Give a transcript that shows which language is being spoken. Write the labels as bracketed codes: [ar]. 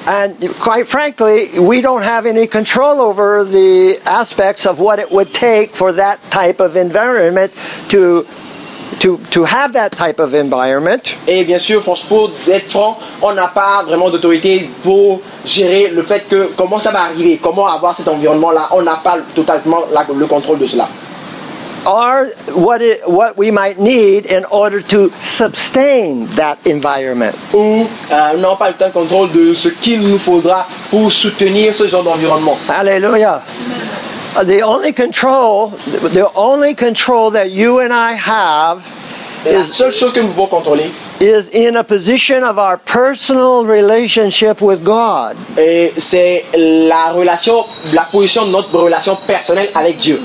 [en] And quite frankly, we don't have any control over the aspects of what it would take for that type of environment to have that type of environment. [fr] Et bien sûr, pour être franc, on n'a pas vraiment d'autorité pour gérer le fait que comment ça va arriver, comment avoir cet environnement-là. On n'a pas totalement le contrôle de cela. [en] Or what we might need in order to sustain that environment. [fr] Ou non pas le temps de contrôle de ce qu'il nous faudra pour soutenir ce genre d'environnement. Alléluia. [en] The only control that you and I have is [fr] la seule chose que nous pouvons contrôler [en] is in a position of our personal relationship with God. [fr] Et c'est la position de notre relation personnelle avec Dieu.